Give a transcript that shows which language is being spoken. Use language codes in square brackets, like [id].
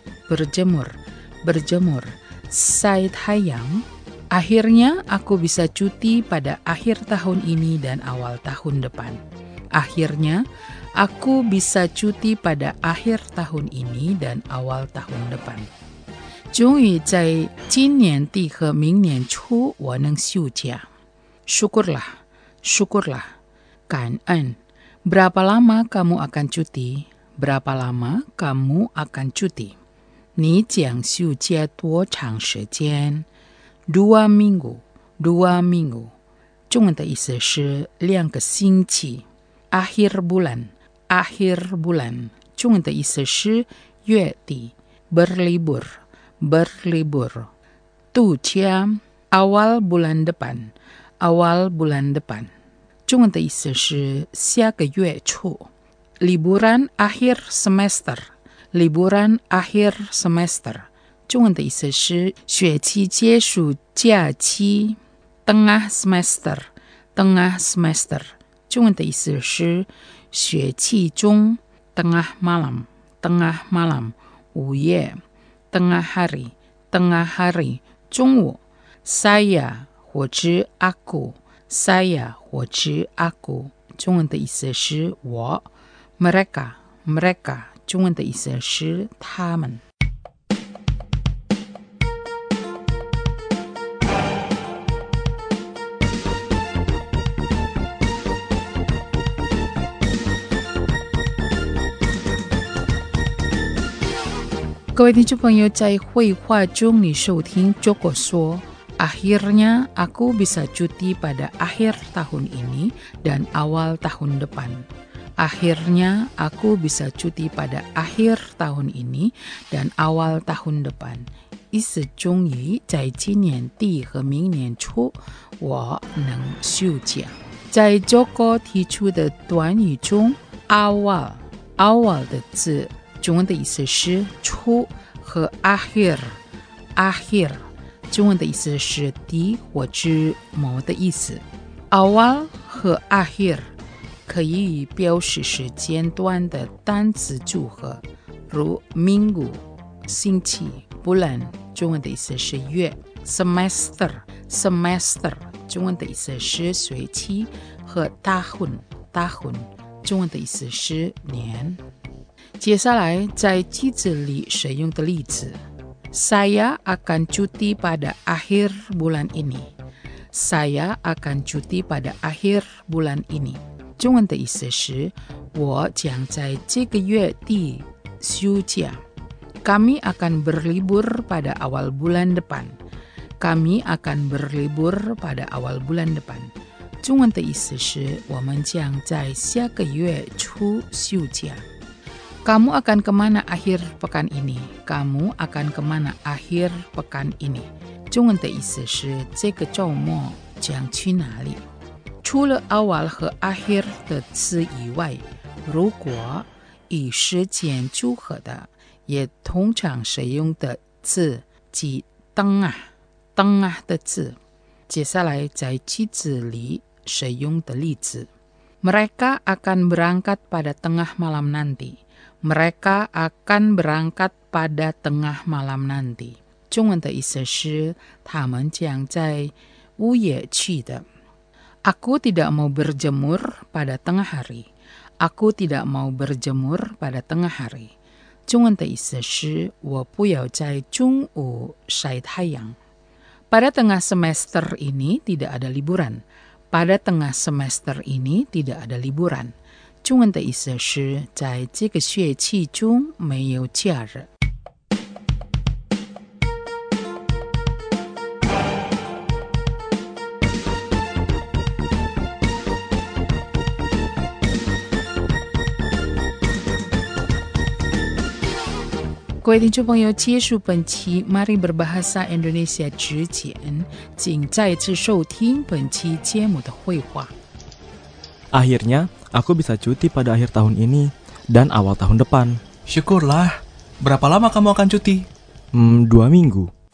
[id] Berjemur, berjemur, 晒太阳。 Akhirnya, aku bisa cuti pada akhir tahun ini dan awal tahun depan. Akhirnya, aku bisa cuti pada akhir tahun ini dan awal tahun depan. [zh] 终于在今年底和明年初我能休假。 [id] Syukurlah, syukurlah, 感恩。 Berapa lama kamu akan cuti? Berapa lama kamu akan cuti? [zh] 你将休假多长时间？ [id] Dua minggu, dua minggu, [zh] 中文的意思是两个星期。 [id] Akhir bulan, akhir bulan, [zh] 中文的意思是月底。 [id] Berlibur, berlibur, 度假。 Awal bulan depan. Awal bulan depan. [zh] 中文的意思是下个月初。 [id] Liburan akhir semester. Liburan akhir semester. [zh] 中文的意思是学期结束假期。 [id] Tengah semester. Tengah semester. [zh] 中文的意思是学期中。 [id] Tengah malam. Tengah malam. 午夜。Tengah hari. Tengah hari. 中午。Saya. [zh] 我知阿古 saya 我知阿古，中文的意思是我。 mereka mereka 中文的意思是他们。各位听众朋友，在绘画中你收听乔果说。 [id] Akhirnya aku bisa cuti pada akhir tahun ini dan awal tahun depan. Akhirnya aku bisa cuti pada akhir tahun ini dan awal tahun depan. [zh] 意思终于在今年底和明年初我能休假。在 Joko 提出的短语中 awal, awal 的字 中文的意思是初和 akhir, akhir 中文的意思是底或之某的意思。 awal 和 akhir 可以标识时间段的单词组合, 如 minggu, 星期, bulan, 中文的意思是月, semester, semester, 中文的意思是学期, 和 tahun, tahun, 中文的意思是年。接下来在句子里使用的例子, [id] saya akan cuti pada akhir bulan ini, [zh] saya akan cuti pada akhir bulan ini, 中文的意思是 我将在这个月底休假。 [id] Kami akan berlibur pada awal bulan depan. Kami akan berlibur pada awal bulan depan. [zh] 中文的意思是 我们将在下个月初休假。 [id] Kamu akan kemana akhir pekan ini? Kamu akan kemana akhir pekan ini? [zh] 中文的意思是 这个周末将去哪里? 除了awal和akhir的词以外, 如果以时间组合的,也通常使用的词,即当啊,当啊的词,接下来在句子里使用的例子, [id] Mereka akan berangkat pada tengah malam nanti. Mereka akan berangkat pada tengah malam nanti. [zh] 中文的意思是,他们将在午夜去的。 [id] Aku tidak mau berjemur pada tengah hari. Aku tidak mau berjemur pada tengah hari. [zh] 中文的意思是我不要在中午晒太阳。 [id] Pada tengah semester ini tidak ada liburan. Pada tengah semester ini tidak ada liburan. [zh] 中文的意思是在这个学期中没有假日。各位听众朋友，结束本期 Mari Berbahasa Indonesia 之前，请再次收听本期节目的会话。 [id] Akhirnya, aku bisa cuti pada akhir tahun ini dan awal tahun depan. Syukurlah. Berapa lama kamu akan cuti? 2 minggu.